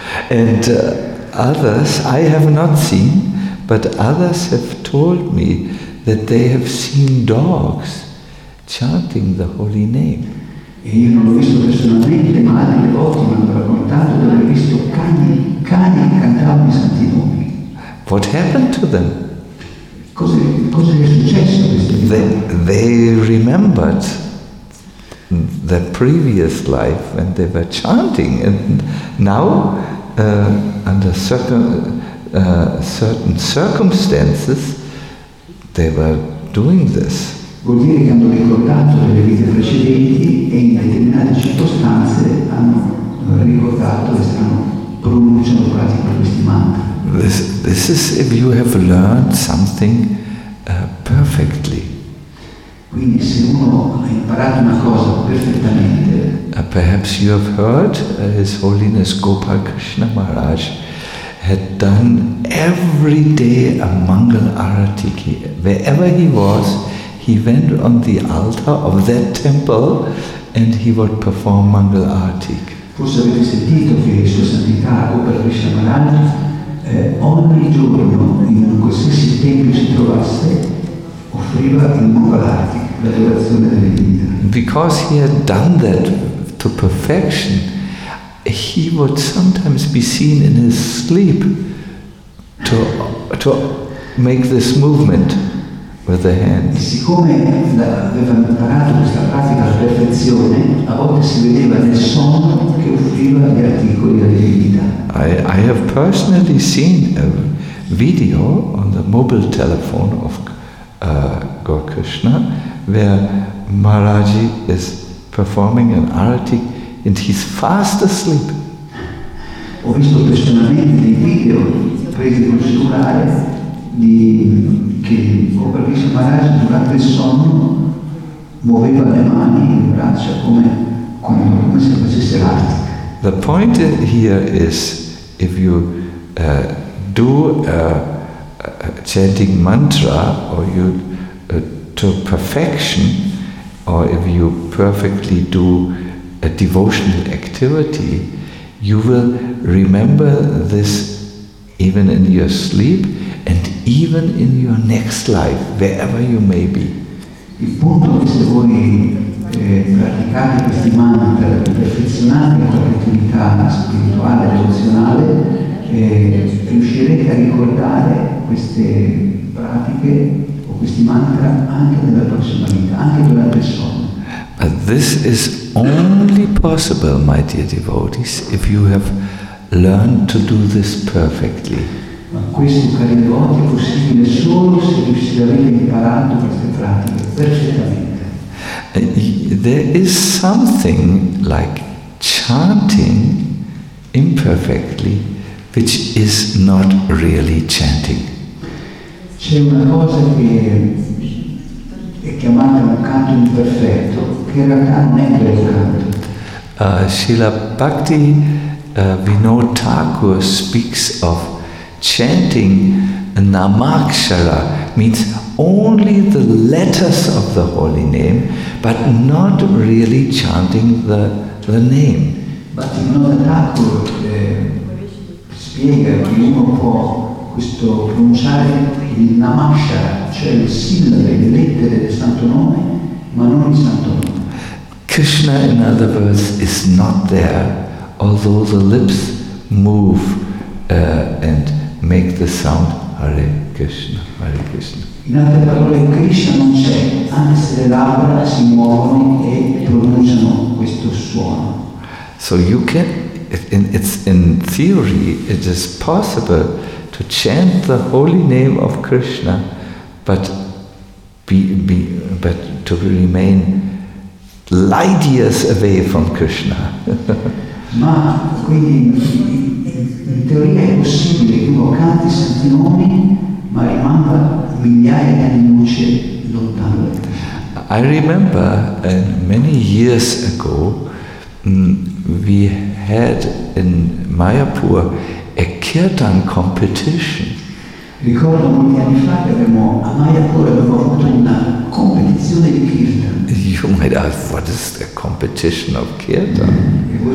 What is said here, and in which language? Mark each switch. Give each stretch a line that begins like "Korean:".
English: And others, I have not seen, but others have told me that they have seen dogs chanting the holy name.
Italian: E io non l'ho visto personalmente, ma altre volte mi hanno raccontato di aver visto cani cantare i santi nomi.
English: What happened to them?
Italian: Cosa è successo?
English: They remembered the previous life when they were chanting, and now under certain circumstances they were doing this.
Italian: Vuol dire che hanno ricordato delle vite precedenti e in determinate circostanze hanno ricordato e stanno pronunciando quasi per questi mantra.
English: This is if you have learned something perfectly.
Italian: Quindi se uno ha imparato una cosa perfettamente.
English: Perhaps you have heard His Holiness Gopal Krishna Maharaj had done every day a Mangal Arati. Wherever he was, he went on the altar of that temple and he would perform Mangal Arati.
Italian: Forse avete sentito che Sua Santità Gopal Krishna Maharaj ogni giorno in un qualsiasi tempio si trovasse offriva il Mangal Arati, l'adorazione della divinità.
English: Because he had done that to perfection, he would sometimes be seen in his sleep to make this movement with the hand.
Italian: E siccome aveva imparato questa pratica alla perfezione, a volte si vedeva nel sonno che offriva gli articoli della divinità.
English: I have personally seen a video on the mobile telephone of Gaur Krishna where Maharaji is performing an arati and he's fast asleep.
Italian: Ho visto personalmente dei video presi con il cellulare di che ho perciò Maharaj durante il sonno muoveva le mani e le braccia come se facesse l'arati.
English: The point here is if you do a chanting mantra or you to perfection, or if you perfectly do a devotional activity, you will remember this even in your sleep and even in your next life, wherever you may be.
Italian: Il punto è se voi praticate questi mantra, perfezionate un'attività spirituale, emozionale, riuscirete a ricordare queste pratiche o questi mantra anche nella prossima vita, anche durante il sonno.
English: But this is only possible, my dear devotees, if you have learned to do this perfectly.
Italian: Ma questo, cari devoti, è possibile solo se riuscite ad aver imparato queste pratiche perfettamente.
English: There is something like chanting imperfectly, which is not really chanting.
Italian: C'è una cosa che è chiamata un canto imperfetto, che in realtà non è quel canto.
English: Srila Bhakti Vinod Thakur speaks of chanting Namakshara, means only the letters of the holy name, but not really chanting the name.
Italian: But in Vinod Thakur spiega che uno può questo pronunciare il Namakshara, cioè le sillabe, le lettere del santo nome, ma non il santo nome.
English: Krishna, in other words, is not there, although the lips move and make the sound Hare Krishna, Hare Krishna.
Italian: In altre parole, Krishna non c'è, anche se le labbra si muovono e pronunciano questo suono.
English: So you can, in theory, it is possible to chant the holy name of Krishna, but to remain light years away from Krishna.
Italian: Ma quindi in teoria è possibile che uno canti i santi nomi ma rimanga migliaia di anni luce lontano.
English: I remember many years ago we had in Mayapur a kirtan competition.
Italian: Ricordo molti anni fa che abbiamo a Mayapur abbiamo avuto una competizione di kirtan.
English: You might ask, what is the competition of kirtan?